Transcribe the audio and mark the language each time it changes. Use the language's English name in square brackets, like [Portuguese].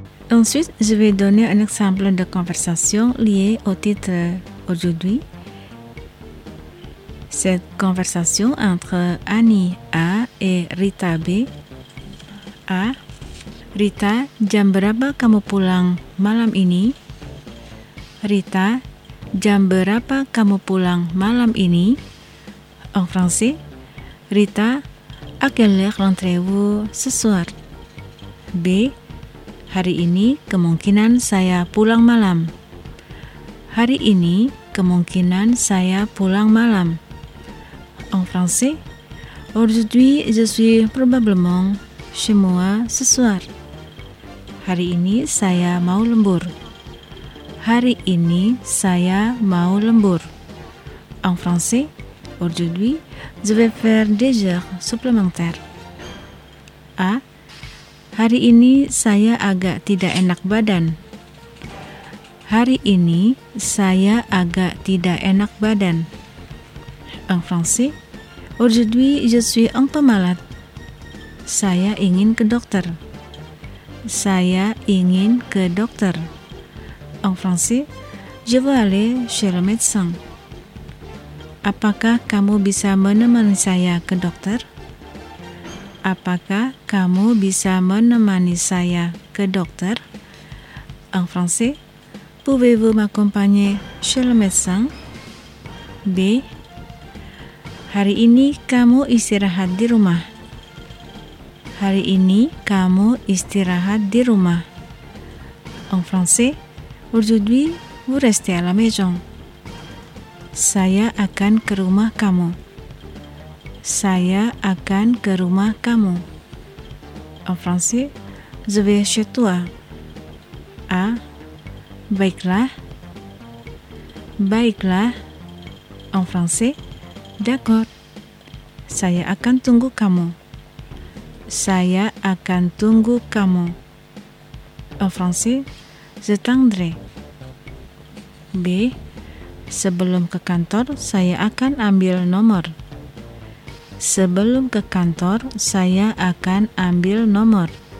[French] Ensuite, je vais donner un exemple de conversation liée au titre aujourd'hui. Cette conversation entre Annie A et Rita B. A. [Indonesian] Rita, jam berapa kamu pulang malam ini? Rita, jam berapa kamu pulang malam ini? [French] En français, Rita, à quelle heure rentrez-vous ce soir? B. [Indonesian] Hari ini kemungkinan saya pulang malam. Hari ini kemungkinan saya pulang malam. [French] En français, aujourd'hui je suis probablement chez moi ce soir. [Indonesian] Hari ini saya mau lembur. Hari ini saya mau lembur. [French] En français, aujourd'hui je vais faire des heures supplémentaires. A. [Indonesian] Hari ini saya agak tidak enak badan. Hari ini saya agak tidak enak badan. [French] En français, aujourd'hui je suis un peu malade. [Indonesian] Saya ingin ke dokter. Saya ingin ke dokter. [French] En français, je veux aller chez le médecin. [Indonesian] Apakah kamu bisa menemani saya ke dokter? Apakah kamu bisa menemani saya ke dokter? [French] En français, pouvez-vous m'accompagner chez le médecin? B. [Indonesian] Hari ini kamu istirahat di rumah. Hari ini kamu istirahat di rumah. [French] En français, aujourd'hui, vous restez à la maison. [Indonesian] Saya akan ke rumah kamu. Saya akan ke rumah kamu. [French] En français, je vais chez toi. [Indonesian] A. Baiklah. Baiklah. [French] En français, d'accord. [Indonesian] Saya akan tunggu kamu. Saya akan tunggu kamu. [French] En français, je t'attendrai. B. [Indonesian] Sebelum ke kantor, saya akan ambil nomor. Sebelum ke kantor, saya akan ambil nomor.